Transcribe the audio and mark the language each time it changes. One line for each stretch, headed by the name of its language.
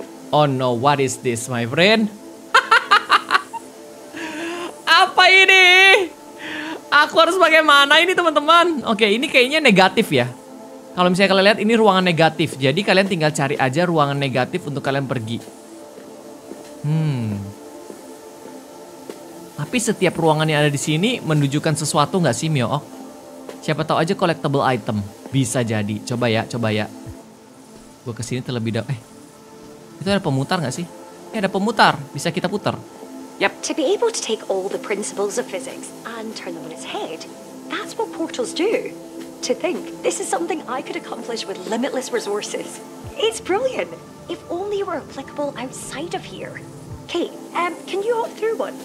English: Oh no, what is this, my friend?
Indonesian: Apa ini? Aku harus bagaimana ini, teman-teman? Oke, okay, ini kayaknya negatif ya. Kalau misalnya kalian lihat, ini ruangan negatif. Jadi kalian tinggal cari aja ruangan negatif untuk kalian pergi. Tapi setiap ruangan yang ada di sini menunjukkan sesuatu nggak sih, Mio? Oh. Siapa tahu aja collectible item. Bisa jadi. Coba ya, coba ya. Gue kesini terlebih dahulu. Itu ada pemutar nggak sih? Ya, ada pemutar. Bisa kita putar. Yep.
English: To be able to take all the principles of physics and turn them on its head, that's what portals do. To think, this is something I could accomplish with limitless resources. It's brilliant. If only it were applicable outside of here. Kate, can you hop through one?